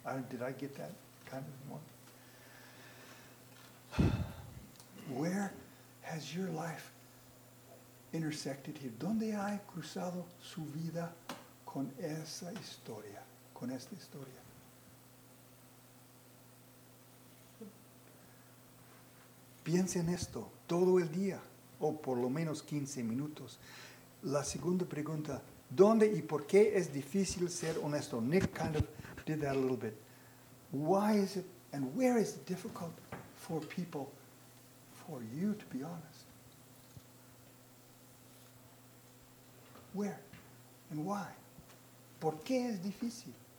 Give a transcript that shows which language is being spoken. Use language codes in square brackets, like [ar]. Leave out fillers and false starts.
[en] Did I get that kind of one? Where has your life intersected here? [es] ¿Dónde ha cruzado su vida con esa historia? Con esta historia. Piensa en esto todo el día, o por lo menos 15 minutos. La segunda pregunta, ¿dónde y por qué es difícil ser honesto? [en] Nick kind of did that a little bit. Why is it, and where is it difficult for people, for you to be honest? Where and why? [es] ¿Por qué es difícil?